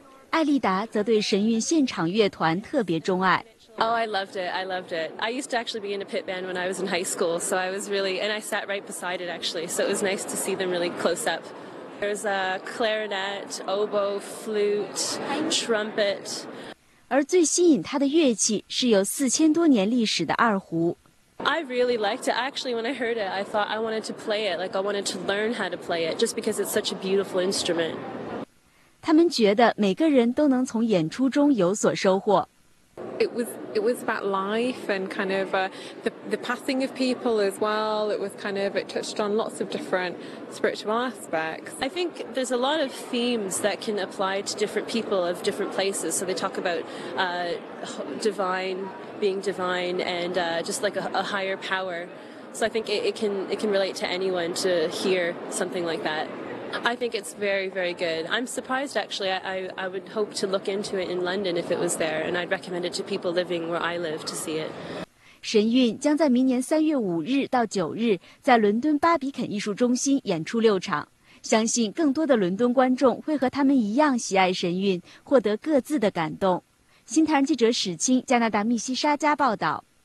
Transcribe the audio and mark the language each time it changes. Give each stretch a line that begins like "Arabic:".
Chinese: 艾丽达则对神韵现场乐团特别钟爱。
English: Oh, I loved it. I loved it. I used to actually be in a pit band when I was in high school, so I was really, and I sat right beside it actually, so it was nice to see them really close up. There's a clarinet, oboe, flute, trumpet.
Chinese: 而最吸引他的乐器是有4000多年历史的二胡。
English: I really liked it. Actually, when I heard it, I thought I wanted to play it. Like, I wanted to learn how to play it, just because it's such a beautiful instrument.
Chinese: 他们觉得每个人都能从演出中有所收获。
English: It was about life and kind of the passing of people as well. It was kind of, it touched on lots of different spiritual aspects. I think there's a lot of themes that can apply to different people of different places. So they talk about divine, being divine, and just like a higher power. So I think it can relate to anyone to hear something like that. I think it's very, very good. I'm surprised, actually. I would hope to look into it in London if it was there, and I'd recommend it to people living where I live to see it.
Chinese: 神韵将在明年3月5日到9日在伦敦巴比肯艺术中心演出6场，相信更多的伦敦观众会和他们一样喜爱神韵，获得各自的感动。新唐人记者史清，加拿大密西沙加报道。